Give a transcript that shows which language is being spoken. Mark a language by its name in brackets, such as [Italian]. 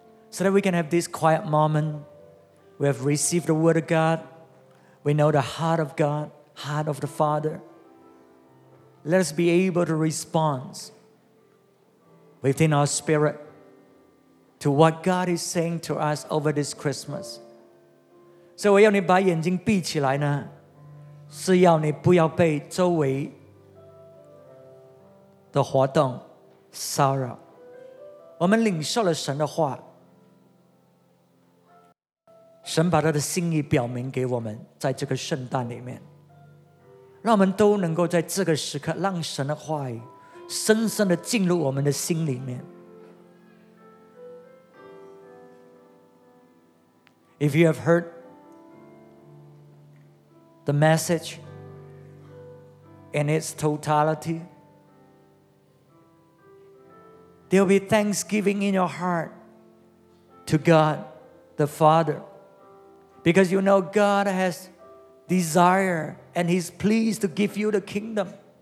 [English] So that we can have this quiet moment. We have received the Word of God. We know the heart of God, heart of the Father. Let us be able to respond within our spirit to what God is saying to us over this Christmas. [Chinese] So, 我要你把眼睛闭起来呢, 是要你不要被周围的活动骚扰。我们领受了神的话, 神把他的心意表明给我们, 在这个圣诞里面, 让我们都能够在这个时刻, 让神的话语, 深深地进入我们的心里面。 [English] If you have heard the message in its totality, there will be thanksgiving in your heart to God the Father, because you know God has desire and He's pleased to give you the kingdom.